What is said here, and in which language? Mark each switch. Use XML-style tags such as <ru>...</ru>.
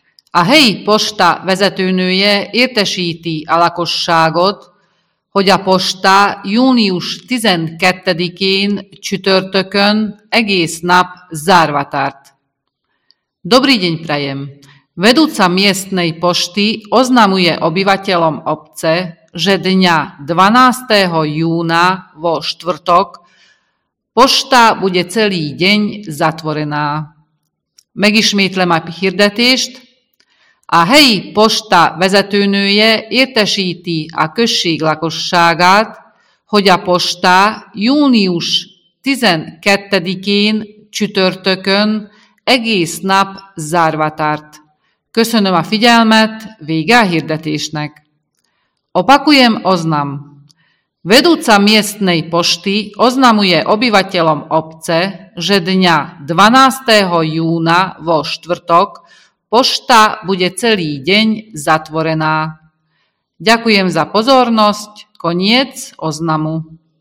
<hu>A helyi posta vezetőnője értesíti a lakosságot, hogy a posta június 12-én csütörtökön egész nap zárva tart.</hu> <sk>Dobrý deň prajem! Vedúca miestnej pošty oznamuje obyvateľom obce, že dňa 12. júna vo štvrtok pošta bude celý deň zatvorená.</sk> <hu>Megismétlem a hirdetést. A helyi posta vezetőnője értesíti a község lakosságát, hogy a posta június 12-én csütörtökön egész nap zárva tart. Köszönöm a figyelmet, vége a hirdetésnek.</hu> <sk>Opakujem oznam. Vedúca miestnej pošty oznamuje obyvateľom obce, že dňa 12. júna vo štvrtok pošta bude celý deň zatvorená. Ďakujem za pozornosť. Koniec oznamu.</sk>